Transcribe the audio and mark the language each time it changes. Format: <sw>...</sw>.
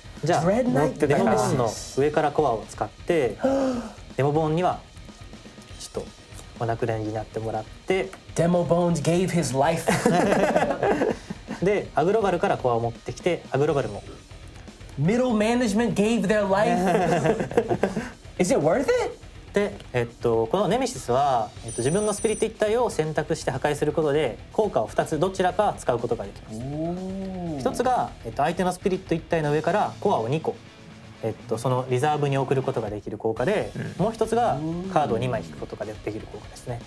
<ja>じゃあ持ってたネメシスの上からコアを使ってデモボーンにはちょっとお亡くなりになってもらって</ja> <en>デモボーン gave his life</en> <ja>でアグロバルからコアを持ってきてアグロバルも</ja> <en>middle management gave their life is it worth it?</en> <ja>で、このネメシスは、自分のスピリット一体を選択して破壊することで効果を2つどちらか使うことができます。お1つが、相手のスピリット一体の上からコアを2個、そのリザーブに送ることができる効果で、もう1つがカードを2枚引くことができる効果ですね。</ja>